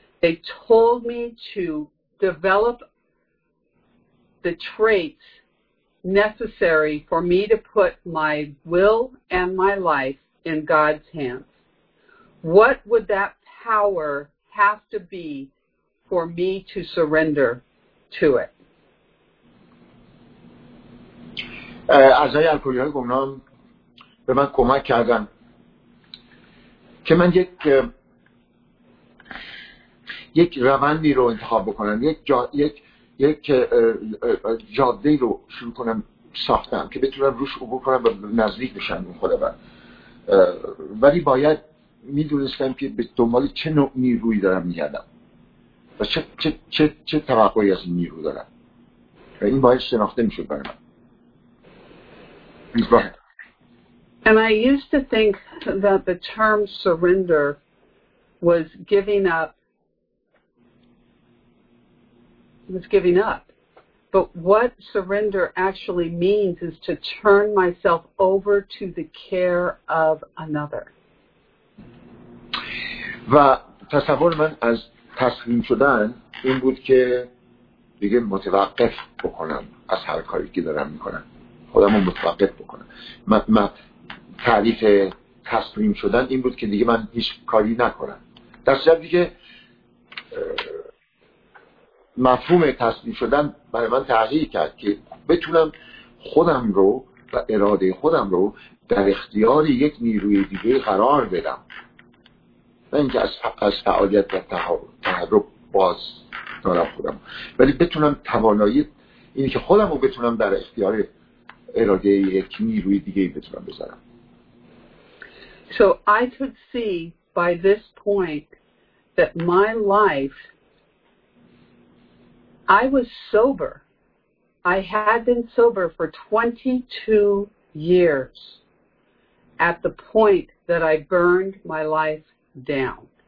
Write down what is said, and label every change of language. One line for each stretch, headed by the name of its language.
English: They told me to develop the traits necessary for me to put my will and my life in God's hands. What would that power have to be for me to surrender to it?
Persian: اعضای الکلی‌های گمنام به من کمک کردن که من یک روندی رو انتخاب بکنم، یک جاده رو شروع کنم ساختم که بتونم روش عبور کنم و نزدیک بشم به خداوند. ولی باید میدونستم که به دنبال چه نوع نیروی دارم میگردم و چه توقعی از این نیرو دارم و این باید شناخته میشد برای من.
English: And I used to think that the term surrender was giving up. But what surrender actually means is to turn myself over to the care of another.
Persian: و تصور من از تسلیم شدن این بود که دیگه متوقف بکنم از هر کاری که دارم میکنم، خودم رو متوقف بکنم. من تعریف تسلیم شدن این بود که دیگه من هیچ کاری نکنم. در صورت دیگه مفهوم تسلیم شدن برای من تغییر کرد که بتونم خودم رو و اراده خودم رو در اختیار یک نیروی دیگه قرار بدم، نه اینکه از فعالیت و تحرک باز دارم خودم، ولی بتونم توانایی اینی که خودم رو بتونم در اختیار اراده یک نیروی دیگه بتونم بذارم.
English: So I could see by this point that my life, I was sober. I had been sober for 22 years at the point that I burned my life down.